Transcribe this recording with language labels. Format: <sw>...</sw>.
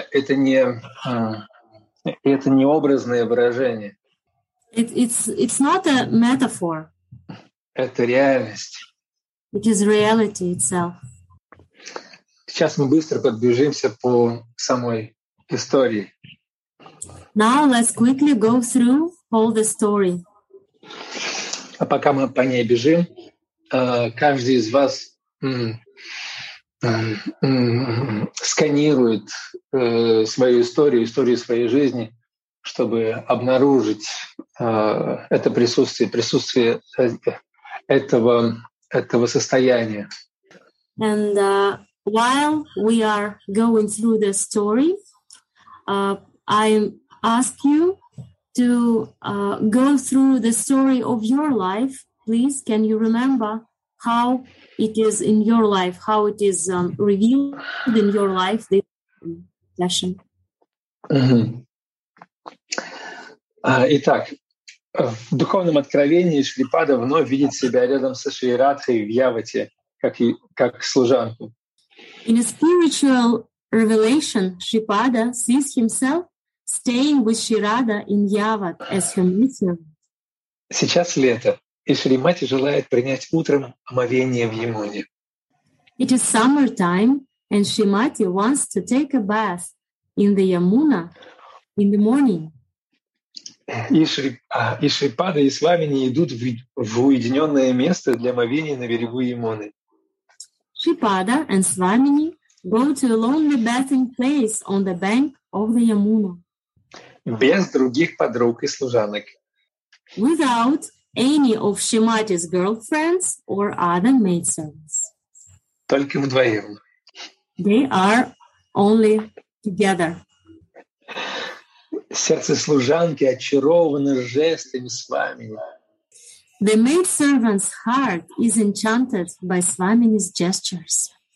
<ru>И это не образное выражение.</ru> <en>It's not a metaphor.</en> <ru>Это реальность.</ru> <en>It is reality itself.</en> <ru>Сейчас мы быстро подбежимся по самой истории.</ru> <en>Now let's quickly go through all the story.</en> <ru>А пока мы по ней бежим, каждый из вас сканирует свою историю, историю своей жизни, чтобы обнаружить это присутствие этого состояния.</ru> <en>And while we are going through the story, I ask you to go through the story of your life, please. Can you remember how it is in your life, how it is revealed in your life, this passion?</en> <ru>Итак, в духовном откровении Шрипада вновь видит себя рядом со Шри Радхой в Явате, как служанку.</ru> <en>In a spiritual revelation, Шрипада sees himself staying with Шри Радха in Яват as her mission.</en> <ru>Сейчас лето, и Шримати желает принять утром омовение в Ямуне.</ru> <en>It is summertime, and Шримати wants to take a bath in the Yamuna in the morning.</en> <ru>И Шрипада и Свамини идут в уединенное место для омовения на берегу Ямуны.</ru> <en>Шрипада and Свамини go to a lonely bathing place on the bank of the Yamuna.</en> <ru>Без других подруг и служанок.</ru> <en>Without any of Shrimati's girlfriends or other maidservants.</en> <ru>Только вдвоем.</ru> <en>They are only together.</en> <ru>Сердце служанки очаровано жестами Свамини.</ru> <en>The maidservant's heart is enchanted by Swamini's gestures.</en>